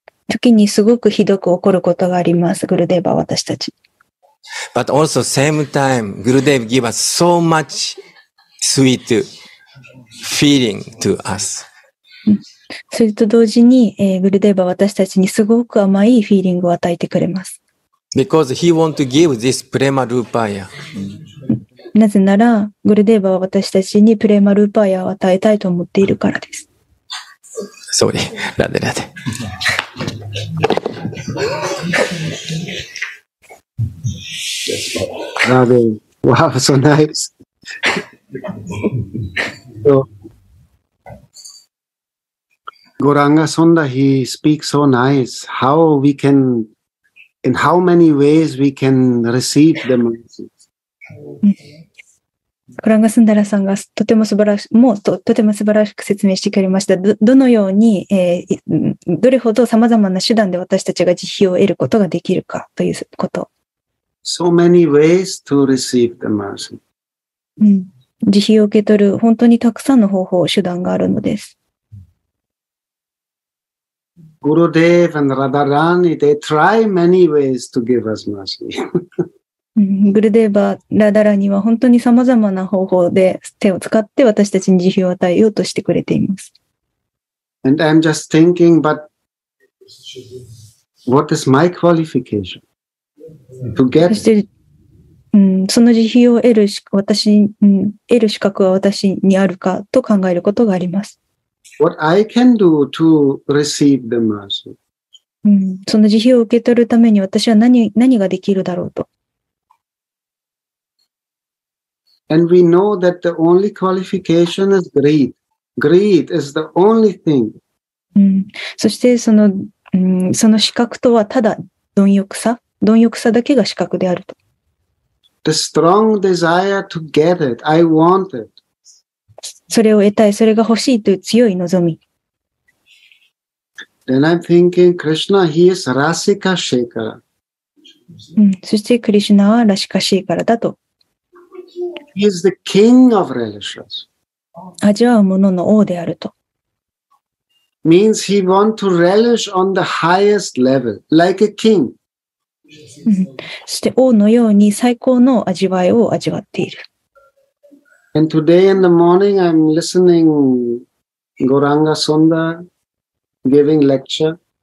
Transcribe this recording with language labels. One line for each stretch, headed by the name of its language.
Japanese: 時にすごくひどく怒ることがあります、グルデヴァ私たち。
English: But also same time, グルデヴァ give us so much sweet feeling to us。
Japanese: それと同時に、グルデーバは私たちにすごく甘いフィーリングを与えてくれます。
English: Because he want to give this prema rupaya.
Japanese: なぜなら、グルデーバは私たちにプレマルーパーヤを与えたいと思っているからです。
English: Sorry, ラデラデ。ラデ、wow, so nice. So,Goranga Sundar, he speaks so nice. How we can, in how many ways we can receive the mercies?
Japanese: Goranga Sundar さんがとても素晴らしい、もう とても素晴らしく説明してくれました。どのように、どれほど様々な手段で私たちが慈悲を得ることができるかということ。
English: So many ways to receive the mercy.
Japanese: 慈悲を受け取る本当にたくさんの方法、手段があるのです。
English: Gurudev and Radharani, they try many ways to give us mercy.
Japanese: Gurudev and Radharani は本当に様々な方法で手を使って私たちに慈悲を与えようとしてくれています。
English: And I'm just thinking, but what is my qualification to get?
Japanese: そして、その慈悲を得る資格、私、得る資格は私にあるかと考えることがあります。
English: What I can do to receive the mercy.
Japanese: その慈悲を受け取るために私は 何ができるだろうと。
English: And we know that the only qualification is greed. Greed is the only thing.
Japanese: そしてその、その資格とはただ貪欲さ。貪欲さだけが資格であると。
English: The strong desire to get it. I want it.
Japanese: それを得たい、それが欲しいという強い望み。
English: Then I'm thinking, Krishna, he is Rasika Shekara.
Japanese: そして、クリシュナはラシカシェカラだと。
English: He is the king of relishes.
Japanese: 味わうものの王であると。
English: Means he wants to relish on the highest level, like a king.
Japanese: そして、王のように最高の味わいを味わっている。
English: And today in the morning, I'm listening Goranga Sundar giving lecture.